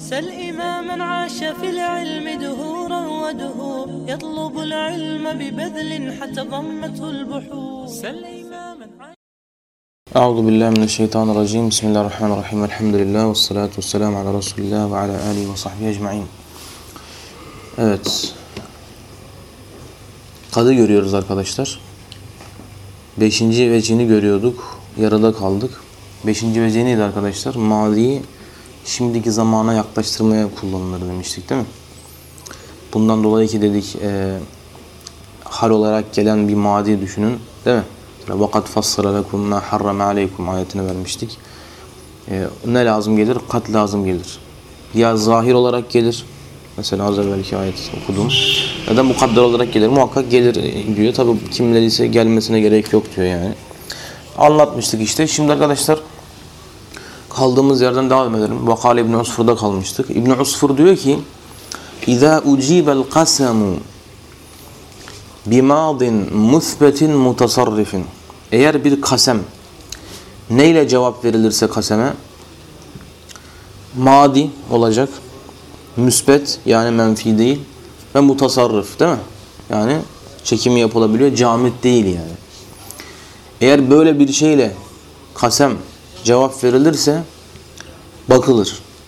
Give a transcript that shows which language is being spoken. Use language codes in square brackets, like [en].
[ar] سل إماما عاش في العلم دهورا ودهور يطلب العلم ببذل حتى ضمته البحور. سل إماما عاش. أعوذ بالله من الشيطان الرجيم. بسم الله الرحمن الرحيم. الحمد لله والصلاة والسلام على رسول الله وعلى آله وصحبه أجمعين. [tr] Evet, kadı görüyoruz arkadaşlar. Beşinci vecini görüyorduk, yarıda kaldık. Beşinci veci neydi arkadaşlar? Maziyi şimdiki zamana yaklaştırmaya kullanılır demiştik, değil mi? Bundan dolayı ki dedik, hal olarak gelen bir mazi düşünün, değil mi? [ar] وَقَدْ فَصَّرَ لَكُمْ مَا حَرَّمَ عَلَيْكُمْ [tr] ayetini vermiştik. Ne lazım gelir? Kat lazım gelir. Ya zahir olarak gelir. Mesela az evvelki ayeti okudum. Ya da mukadder olarak gelir. Muhakkak gelir diyor. Tabi kimler ise gelmesine gerek yok diyor yani. Anlatmıştık işte. Şimdi arkadaşlar kaldığımız yerden devam edelim. Vakale İbn-i Usfur'da kalmıştık. İbn-i Usfur diyor ki [ar] اِذَا اُجِيبَ الْقَسَمُ بِمَاضٍ مُثْبَتٍ مُتَصَرِّفٍ. [tr] Eğer bir kasem, neyle cevap verilirse kaseme, madi olacak, müsbet yani menfi değil ve mutasarrıf, değil mi? Yani çekimi yapılabiliyor, camit değil yani. Eğer böyle bir şeyle kasem cevap verilirse bakılır.